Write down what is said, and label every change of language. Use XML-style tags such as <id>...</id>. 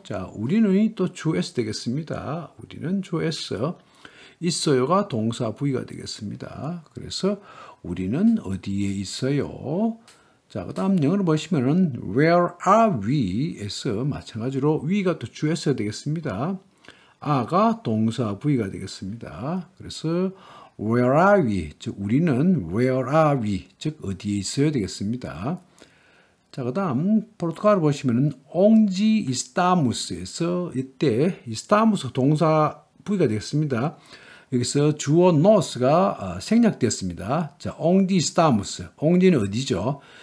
<ko>자, 우리는 또 주어 되겠습니다. 우리는 주어 있어요가 동사 부위가 되겠습니다. 그래서 우리는 어디에 있어요? 자, 그 다음 영어로 보시면은</ko> <en>where are we?</en> <ko>에서 마찬가지로 we가 또 주어 되겠습니다. are가 동사 부위가 되겠습니다. 그래서</ko> <en>where are we?</en> <ko>즉, 우리는</ko> <en>where are we?</en> <ko>즉, 어디에 있어야 되겠습니다. 자, 그 다음 포르투갈을 보시면은</ko> <pt>onde estamos</pt> <ko>에서 이때 estamos 동사 부위가 되겠습니다. 여기서 주어 nos가 생략되었습니다. 자,</ko> <pt>onde estamos, onde</pt> <ko>는 어디죠?</ko>